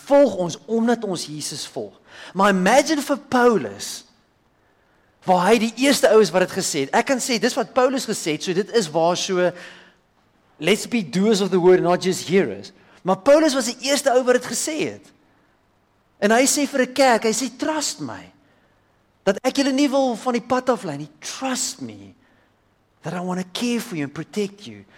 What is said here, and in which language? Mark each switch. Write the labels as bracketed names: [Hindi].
[Afrikaans] Volg ons omdat ons Jesus volg. Maar imagine vir Paulus, waar hy die eerste ou is wat het gesê het. Ek kan sê, dis wat Paulus gesê het, so dit is waar so, [English] let's be doers of the word, not just hearers. [Afrikaans] Maar Paulus was die eerste ou wat het gesê het. En hy sê vir die kerk, hy sê, trust my, dat ek julle nie wil van die pad aflei nie. [English] Trust me, that I want to care for you and protect you.